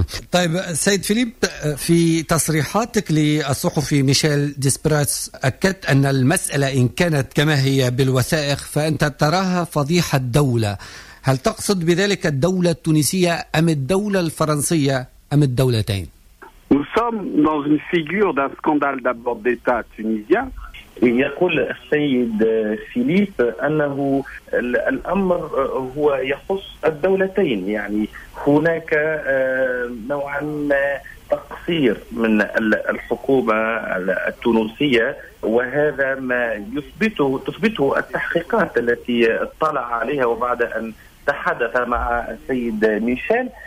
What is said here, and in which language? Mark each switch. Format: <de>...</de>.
<ar>طيب سيد فيليب، في تصريحاتك للصحفي ميشيل ديسبراتس أكدت أن المسألة إن كانت كما هي بالوثائق فأنت تراها فضيحة دولة، هل تقصد بذلك الدولة التونسية أم الدولة الفرنسية أم الدولتين؟</ar> <fr>Nous sommes dans une figure d'un scandale d'abord d'État tunisien.</fr> <ar>يقول السيد فيليب أنه الأمر هو يخص الدولتين، يعني هناك نوعا ما تقصير من الحكومة التونسية، وهذا ما تثبته التحقيقات التي اطلع عليها وبعد أن تحدث مع السيد ميشيل.</ar>